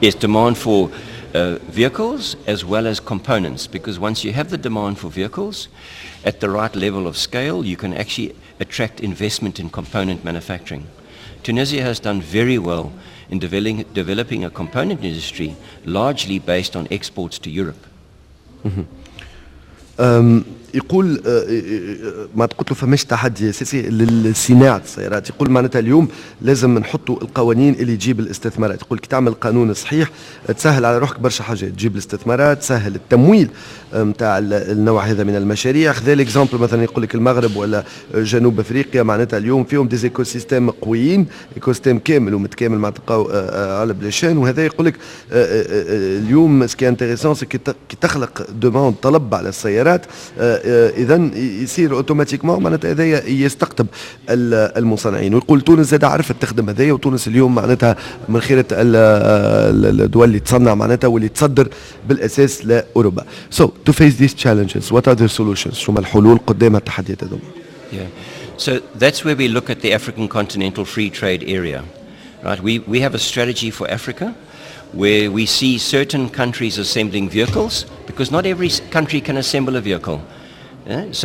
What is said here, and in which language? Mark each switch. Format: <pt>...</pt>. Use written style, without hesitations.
<en>Yes, demand for vehicles as well as components, because once you have the demand for vehicles at the right level of scale, you can actually attract investment in component manufacturing. Tunisia has done very well in developing a component industry largely based on exports to Europe. Mm-hmm.</en> <ar>يقول ما قلت له فماش تحدي اساسي للصناعه السيارات. يقول معناتها اليوم لازم نحطوا القوانين اللي تجيب الاستثمارات. يقول كي تعمل قانون صحيح تسهل على روحك برشا حاجات، تجيب الاستثمارات، تسهل التمويل نتاع النوع هذا من المشاريع. خذ ليكزامبل مثلا يقول لك المغرب ولا جنوب افريقيا، معناتها اليوم فيهم دي ايكو سيستيم قويين، ايكو سيستيم كامل ومتكامل مع على بلاشين. وهذا يقول لك اليوم سكي انتريسون سي كي تخلق دوموند طلب على السيارات اذا يصير اوتوماتيكمون معناتها هذايا يستقطب المصنعين. ويقول تونس زاد عرفت تخدم هذايا، وتونس اليوم معناتها من خيرة الدول اللي تصنع معناتها واللي تصدر بالاساس لاوروبا.</ar> <en>So to face these challenges, what are the solutions؟</en> <ar>شو الحلول قدام التحديات هذوما؟</ar> <en>Yeah. So that's where we look at the African Continental Free Trade Area. Right? We have a strategy for Africa where we see certain countries assembling vehicles, because not every country can assemble a vehicle. Yeah?</en>